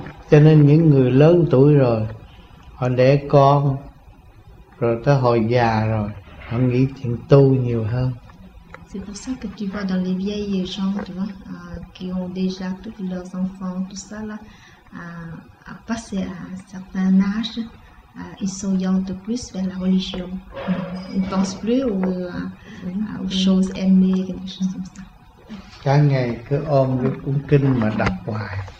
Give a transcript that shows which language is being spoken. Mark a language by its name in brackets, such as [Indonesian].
[Vietnamese] Cho nên những người lớn tuổi rồi, họ đẻ con, rồi tới hồi già rồi, họ nghĩ chuyện tu nhiều hơn. [French] C'est pour ça que tu vois dans les vieilles gens, tu vois, qui ont déjà tous leurs enfants, tout ça là, à passer à un certain âge, ils s'orientent plus vers la religion. Ils ne pensent plus aux choses aimées, quelque chose comme ça. [Vietnamese] Cả ngày cứ ôm cái cuốn kinh mà đọc hoài.